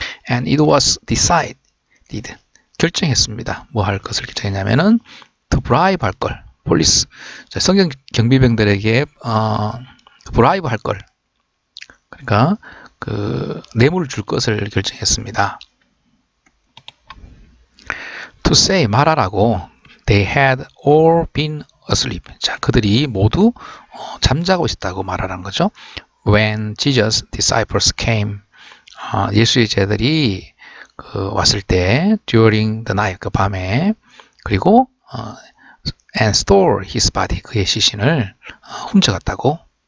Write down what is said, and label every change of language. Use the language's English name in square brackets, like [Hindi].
[English] And it was decided. [Korean] 결정했습니다. 뭐 할 것을 결정했냐면은 [English] to bribe [Korean] 할 걸. Police. 자, 성경 경비병들에게 bribe 할 걸. 그러니까 그 뇌물을 줄 것을 결정했습니다. [English] To say [Korean] 말하라고 [English] they had all been asleep. [Korean] 자, 그들이 모두 잠자고 있었다고 말하라는 거죠. [English] When Jesus' disciples came, [Korean] 예수의 제자들이 그 왔을 때 [English] during the night [Korean] 그 밤에 그리고 [English] and stole his body [Korean] 그의 시신을 훔쳐갔다고.